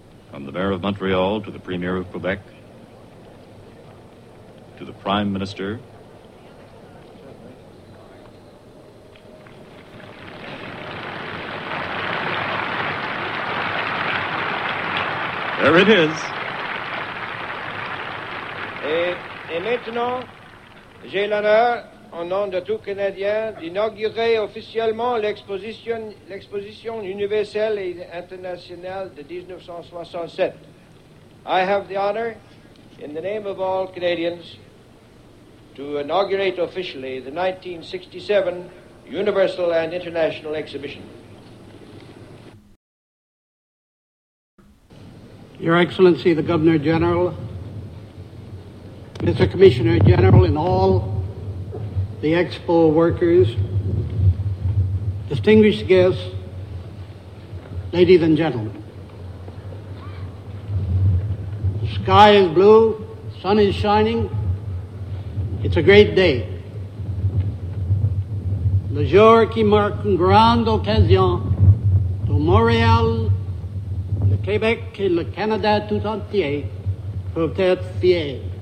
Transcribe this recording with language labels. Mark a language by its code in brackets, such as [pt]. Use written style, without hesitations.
[en] From the Mayor of Montreal to the Premier of Quebec, to the Prime Minister, there it is. [fr] Et maintenant, j'ai l'honneur, au nom de tout Canadien, d'inaugurer officiellement l'exposition universelle et internationale de 1967. [en] I have the honor, in the name of all Canadians, to inaugurate officially the 1967 Universal and International Exhibition. Your Excellency, the Governor General, Mr. Commissioner General, and all the Expo workers, distinguished guests, ladies and gentlemen. The sky is blue, sun is shining, it's a great day. [fr] Le jour qui marque une grande occasion pour Montréal, le Québec et le Canada tout entier peuvent être fiers.